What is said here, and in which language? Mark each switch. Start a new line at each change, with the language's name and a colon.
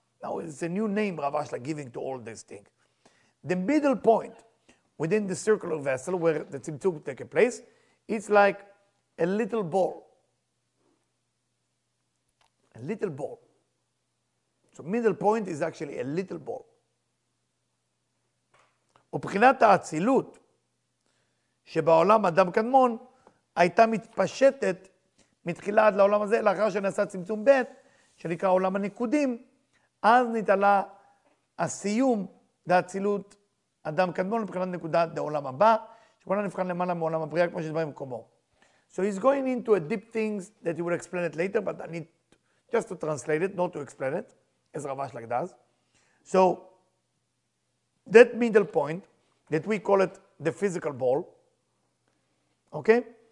English: Now it's a new name Rav Ashlag giving to all this thing. The middle point within the circular vessel where the tzimtzum takes place, it's like a little ball. A little ball. So middle point is actually a little ball.
Hebrew: ובחינת האצילות שבעולם אדם קדמון הייתה מתפשטת מתחילה עד לעולם הזה, לאחר שנעשה צמצום ב' שנקרא עולם הנקודים, אז נתעלה הסיום לאצילות אדם קדמון לבחינת נקודה לעולם הבא, שכולה נבחן למעלה מעולם הבריאה כמו שדברים מקומו.
English: So he's going into a deep things that he will explain it later, but I need just to translate it, not to explain it, as Rav Ashlag does. So that middle point, that we call it the physical ball, okay?